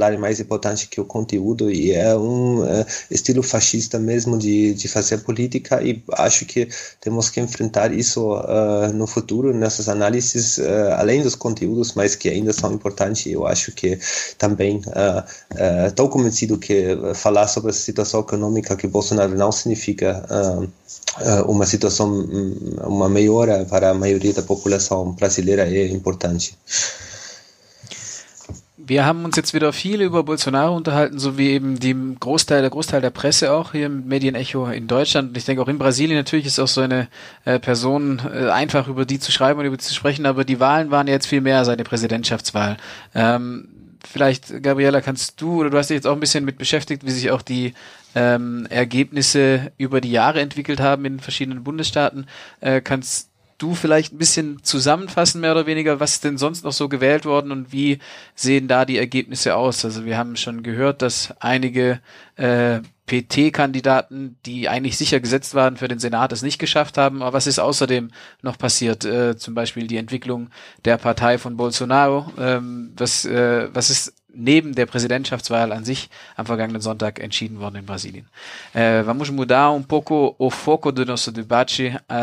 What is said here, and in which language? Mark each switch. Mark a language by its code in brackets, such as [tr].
[pt] falar mais importante que o conteúdo, e é um estilo fascista mesmo de fazer política, e acho que temos que enfrentar isso no futuro, nessas análises, além dos conteúdos, mas que ainda são importantes. Eu acho que também estou convencido que falar sobre a situação econômica que Bolsonaro não significa uma situação, uma melhora para a maioria da população brasileira é importante. [de] Wir haben uns jetzt wieder viel über Bolsonaro unterhalten, so wie eben der Großteil der Presse auch hier im Medienecho in Deutschland. Und ich denke auch in Brasilien natürlich ist auch so eine Person einfach über die zu schreiben und über die zu sprechen. Aber die Wahlen waren jetzt viel mehr als eine Präsidentschaftswahl. Vielleicht, Gabriela, kannst du, oder du hast dich jetzt auch ein bisschen mit beschäftigt, wie sich auch die Ergebnisse über die Jahre entwickelt haben in verschiedenen Bundesstaaten. Kannst du vielleicht ein bisschen zusammenfassen, mehr oder weniger, was ist denn sonst noch so gewählt worden und wie sehen da die Ergebnisse aus? Also wir haben schon gehört, dass einige PT-Kandidaten, die eigentlich sicher gesetzt waren für den Senat, es nicht geschafft haben. Aber was ist außerdem noch passiert? Zum Beispiel die Entwicklung der Partei von Bolsonaro. Was ist neben der Präsidentschaftswahl an sich am vergangenen Sonntag entschieden worden in Brasilien? [pt] Vamos mudar um pouco o foco do nosso debate.